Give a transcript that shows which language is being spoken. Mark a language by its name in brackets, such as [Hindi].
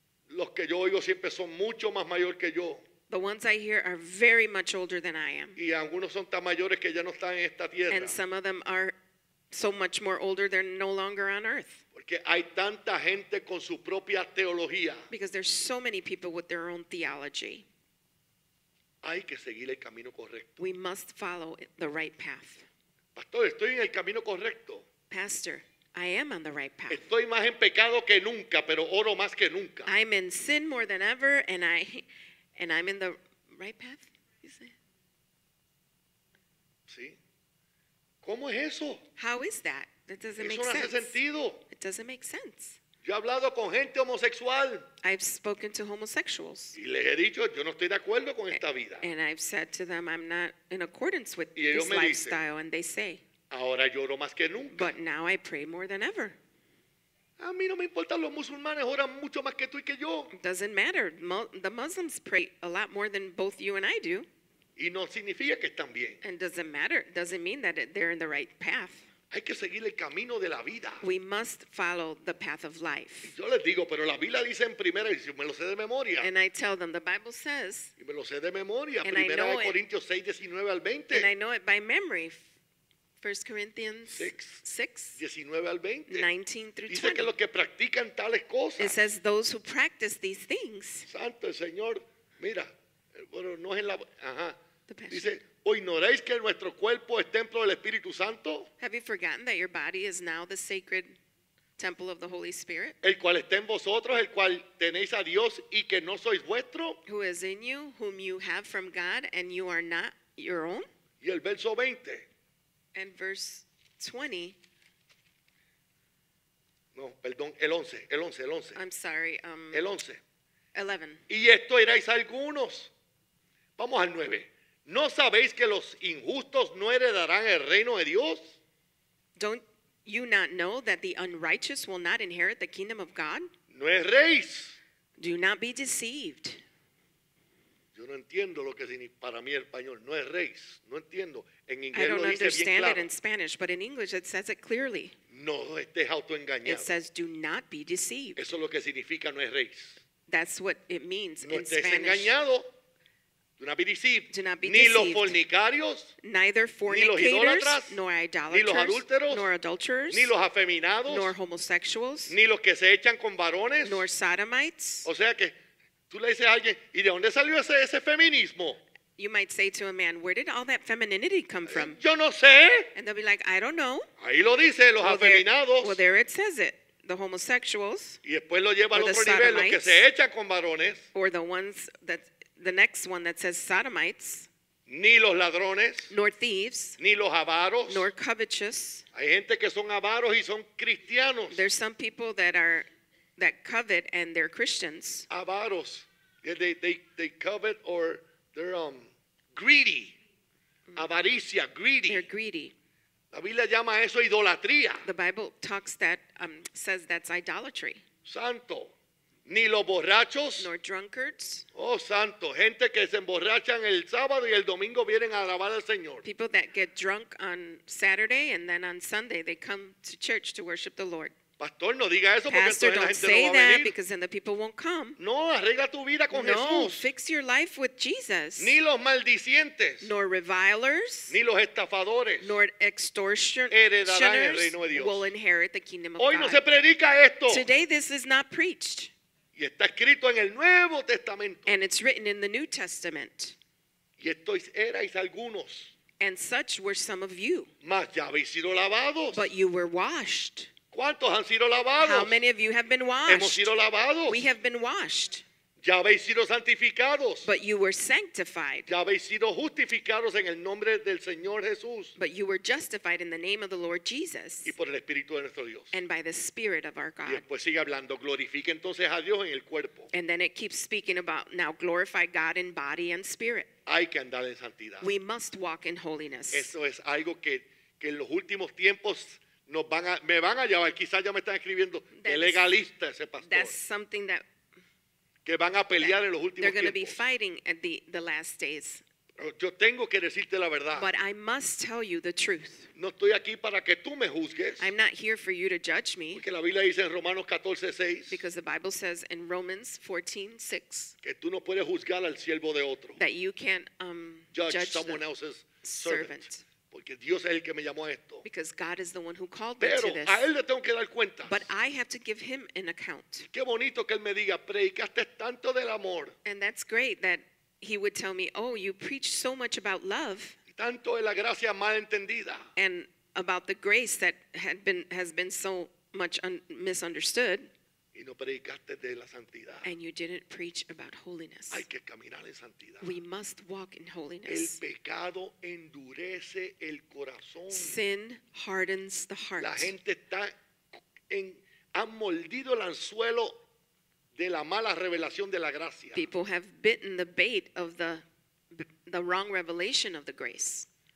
[Spanish] Los que yo oigo siempre son mucho más mayor que yo. [English] The ones I hear are very much older than I am. [Spanish] Y algunos son tan mayores que ya no están en esta tierra. [English] And some of them are so much more older, they're no longer on earth. [Spanish] Porque hay tanta gente con su propia teología. [English] Because there's so many people with their own theology. [Spanish] Hay que seguir el camino correcto. [English] We must follow the right path. [Spanish] Pastor, estoy en el camino correcto. [English] Pastor, I am on the right path. [Spanish] Estoy más en pecado que nunca, pero oro más que nunca. [English] I'm in sin more than ever, and I'm in the right path, you say? [Spanish] Sí. ¿Cómo es eso? [English] How is that? That doesn't make sense. [Spanish] Eso no hace sentido. [English] It doesn't make sense. [Spanish] Yo he hablado con gente homosexual. [English] I've spoken to homosexuals. [Spanish] Y les he dicho, yo no estoy de acuerdo con esta vida. [English] And I've said to them, I'm not in accordance with this lifestyle. And they say, [Spanish] ahora lloro más que nunca. [English] But now I pray more than ever. [Spanish] A mí no me importan los musulmanes, oran mucho más que tú y que yo. [English] Doesn't matter. The Muslims pray a lot more than both you and I do. [Spanish] Y no significa que están bien. [English] And doesn't matter. Doesn't mean that they're in the right path. [Spanish] Hay que seguir el camino de la vida. [English] We must follow the path of life. [Spanish] Yo les digo, pero la Biblia dice en primera, y me lo sé de memoria. [English] And I tell them, the Bible says. [Spanish] Y me lo sé de memoria. Primera de Corintios 6:19-20. [English] And I know it by memory. 1 Corinthians 6:19-20. 19-20. [Spanish] Dice que los que practican tales cosas. [English] It says those who practice these things. [Spanish] Santo el Señor. Mira. Bueno, no es en la... Ajá. Dice, ¿o ignoráis que nuestro cuerpo es templo del Espíritu Santo? [English] Have you forgotten that your body is now the sacred temple of the Holy Spirit? [Spanish] El cual está en vosotros, el cual tenéis a Dios y que no sois vuestro. [English] Who is in you, whom you have from God, and you are not your own. [Spanish] Y el verso 20. [English] And verse 20. [Spanish] No, perdón, el 11. [English] I'm sorry. [Spanish] El 11. [English] 11. [Spanish] Y esto erais algunos. Vamos al 9. ¿No sabéis que los injustos no heredarán el reino de Dios? [English] Don't you not know that the unrighteous will not inherit the kingdom of God? [Spanish] No erréis. [English] Do not be deceived. [Spanish] Yo no entiendo lo que significa para mí el español. No es reyes. No entiendo. En inglés lo dice bien claro. [English] I don't understand it in Spanish, but in English it says it clearly. [Spanish] No estés autoengañado. [English] It says do not be deceived. [Spanish] Eso es lo que significa no es reyes. [English] That's what it means [Spanish] no [English] in Spanish. [Spanish] No estés engañado. [English] Do not be deceived. Do not be [Spanish] ni [English] deceived. [Spanish] Ni los fornicarios. [English] Neither fornicators. [Spanish] Ni los idólatras. [English] Nor idolaters. [Spanish] Ni los adúlteros. [English] Nor adulterers. [Spanish] Ni los afeminados. [English] Nor homosexuals. [Spanish] Ni los que se echan con varones. [English] Nor sodomites. [Spanish] O sea que... Tú le dices a alguien, ¿y de dónde salió ese feminismo? [English] You might say to a man, where did all that femininity come from? [Spanish] Yo no sé. [English] And they'll be like, I don't know. [Spanish] Ahí lo dice, los afeminados. [English] Well, there it says it, the homosexuals. [Spanish] Y después lo lleva al otro nivel, los que se echan con varones. [English] Or the ones that, the next one that says sodomites. [Spanish] Ni los ladrones. [English] Nor thieves. [Spanish] Ni los avaros. [English] Nor covetous. [Spanish] Hay gente que son avaros y son cristianos. [English] There's some people that are... that covet and they're Christians. Avaros. Yeah, they covet or they're greedy. [Spanish] Avaricia, greedy. [English] They're greedy. [Spanish] La Biblia llama eso idolatría. [English] The Bible talks that says that's idolatry. [Spanish] Santo. Ni los borrachos. [English] Nor drunkards. [Spanish] Oh, santo. Gente que se emborrachan el sábado y el domingo vienen a alabar al Señor. [English] People that get drunk on Saturday and then on Sunday they come to church to worship the Lord. [Spanish] Pastor, no diga eso porque entonces la gente no va a venir. [English] Pastor, don't say that because then the people won't come. [Spanish] No, arregla tu vida con no, Jesús. [English] No, fix your life with Jesus. [Spanish] Ni los maldicientes. [English] Nor revilers. [Spanish] Ni los estafadores. [English] Nor extortioners. [Spanish] Heredarán el reino de Dios. [English] Will inherit the kingdom of [Spanish] God. Hoy no se predica esto. [English] Today this is not preached. [Spanish] Y está escrito en el Nuevo Testamento. [English] And it's written in the New Testament. [Spanish] Y estos erais algunos. [English] And such were some of you. [Spanish] Mas ya habéis sido lavados. [English] But you were washed. [Spanish] ¿Cuántos han sido lavados? [English] How many of you have been washed? [Spanish] Hemos sido lavados. [English] We have been washed. [Spanish] Ya habéis sido santificados. [English] But you were sanctified. [Spanish] Ya habéis sido justificados en el nombre del Señor Jesús. [English] But you were justified in the name of the Lord Jesus. [Spanish] Y por el Espíritu de nuestro Dios. [English] And by the Spirit of our God. [Spanish] Y después sigue hablando, glorifique entonces a Dios en el cuerpo. [English] And then it keeps speaking about now glorify God in body and spirit. [Spanish] Hay que andar en santidad. [English] We must walk in holiness. [Spanish] Eso es algo que en los últimos tiempos nos van a, me van a llevar, quizás ya me están escribiendo, de legalista ese pastor. [English] That's something that [Spanish] que van a pelear en los últimos [English] they're [Spanish] tiempos. [English] They're going to be fighting at the last days. [Spanish] Yo tengo que decirte la verdad. [English] But I must tell you the truth. [Spanish] No estoy aquí para que tú me juzgues. [English] I'm not here for you to judge me. [Spanish] Porque la Biblia dice en Romanos 14:6. [English] Because the Bible says in Romans 14:6. [Spanish] Que tú no puedes juzgar al siervo de otro. [English] That you can't judge someone else's servant. [Spanish] Porque Dios es el que me llamó a esto. [English] Because God is the one who called [Spanish] pero [English] me to this. [Spanish] A él le tengo que dar cuentas. [English] But I have to give him an account. [Spanish] Qué bonito que él me diga, predicaste tanto del amor. [English] And that's great that he would tell me, oh, you preach so much about love. [Spanish] Y tanto de la gracia mal entendida. [English] And about the grace that had been has been so much misunderstood. [Spanish] Y no predicaste de la santidad. [English] And you didn't preach about holiness. [Spanish] Hay que caminar en santidad. [English] We must walk in holiness. [Spanish] El pecado endurece el corazón. [English] Sin hardens the heart. [Spanish] La gente está en han mordido el anzuelo de la mala revelación de la gracia. [English] People have bitten the bait of the wrong revelation of the grace.